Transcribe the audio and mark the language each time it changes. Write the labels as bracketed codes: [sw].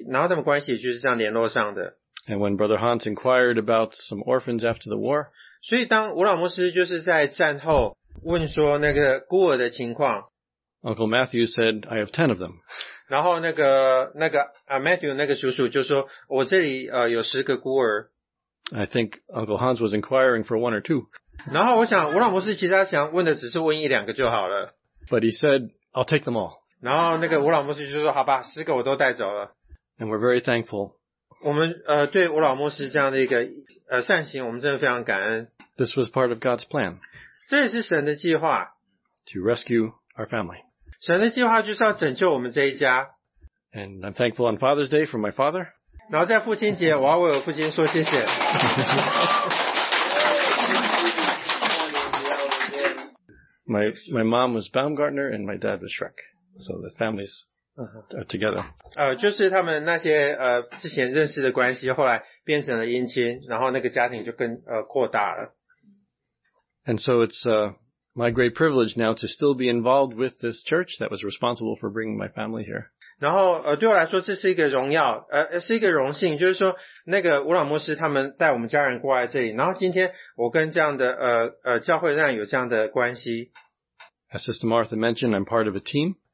[zh] 然后他在纽约那边有人认识吴老牧师，然后他们关系就是这样联络上的。 [en] And when Brother Hans inquired about some orphans after the war, [zh] 所以当吴老牧师就是在战后问说那个孤儿的情况， [en] Uncle Matthew said, I have 10 of them. [zh] 然后那个 Matthew 那个叔叔就说，我这里有10个孤儿。 [en] I think Uncle Hans was inquiring for one or two. [zh] 然后我想吴老牧师其实他想问的只是问一两个就好了。 [en] But he said, I'll take them all. [zh] 然后那个吴老牧师就说好吧，10个我都带走了。 [en] And we're very thankful. [zh] 我们对吴老牧师这样的一个善行，我们真的非常感恩。 [en] This was part of God's plan. [zh] 这也是神的计划。 [en] To rescue our family. [zh] 神的计划就是要拯救我们这一家。 [en] And I'm thankful on Father's Day for my father. [zh] 然后在父亲节，我要为我父亲说谢谢。 [en] My mom was Baumgartner and my dad was Schreck. So the families are together. [zh] 就是他们那些之前认识的关系，后来变成了姻亲，然后那个家庭就更扩大了。 [en] And so it's my great privilege now to still be involved with this church that was responsible for bringing my family here. [zh] 然后对我来说这是一个荣耀，是一个荣幸，就是说那个吴老牧师他们带我们家人过来这里，然后今天我跟这样的教会上有这样的关系。 [en] As Sister Martha mentioned, I'm part of a team.